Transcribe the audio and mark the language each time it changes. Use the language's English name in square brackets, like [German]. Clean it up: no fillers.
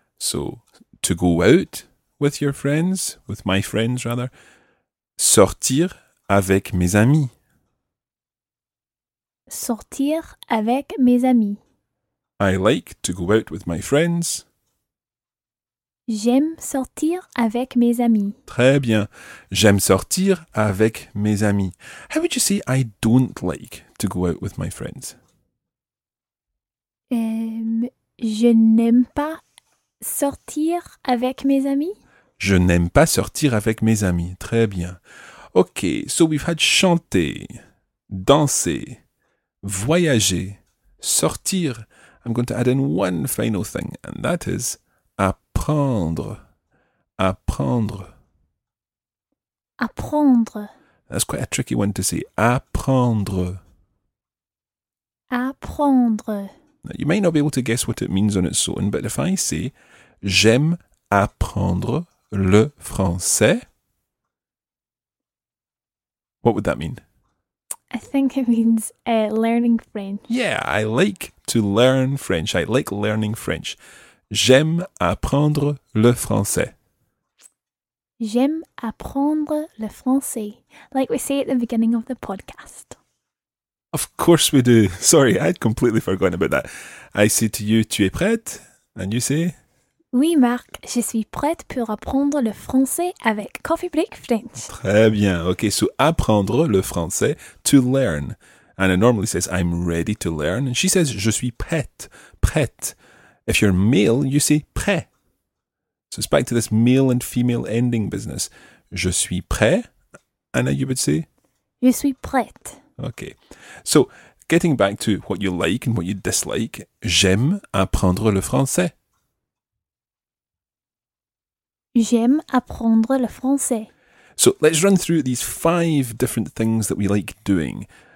[English] So, to go out with your friends, with my friends rather, [French] sortir avec mes amis. Sortir avec mes amis. [English] I like to go out with my friends. [French] J'aime sortir avec mes amis. Très bien. J'aime sortir avec mes amis. [English] How would you say I don't like to go out with my friends? [French] Je n'aime pas sortir avec mes amis? Je n'aime pas sortir avec mes amis. Très bien. [English] Ok, so we've had chanter, danser, voyager, sortir. I'm going to add in one final thing, and that is apprendre. [French] Apprendre. Apprendre. [English] That's quite a tricky one to say. [French] Apprendre. Apprendre. [English] Now, you may not be able to guess what it means on its own, but if I say [French] j'aime apprendre le français, [English] what would that mean? I think it means learning French. Yeah, I like to learn French. I like learning French. [French] J'aime apprendre le français. J'aime apprendre le français, [English] like we say at the beginning of the podcast. Of course we do. Sorry, I'd completely forgotten about that. I say to you, [French] tu es prête? [English] And you say? [French] Oui, Marc, je suis prête pour apprendre le français avec Coffee Break French. Très bien. [English] Okay, so apprendre le français, to learn. Anna normally says, I'm ready to learn. And she says, [French] je suis prête, prête. [English] If you're male, you say prêt. So it's back to this male and female ending business. [French] Je suis prêt. [English] Anna, you would say? [French] Je suis prête. [English] Okay. So getting back to what you like and what you dislike, [French] j'aime apprendre le français. J'aime apprendre le français. [English] So let's run through these five different things that we like doing.